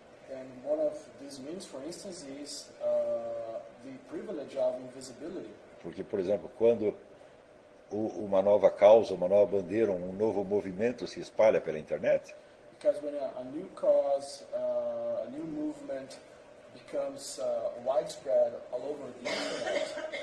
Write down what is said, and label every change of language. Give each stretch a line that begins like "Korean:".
English: And one of these means, for instance, is the privilege of invisibility.
Portuguese: Porque, por exemplo, quando uma nova causa, uma nova bandeira, um novo movimento se espalha pela internet.
English: Because when a new cause, a new movement becomes widespread all over the internet.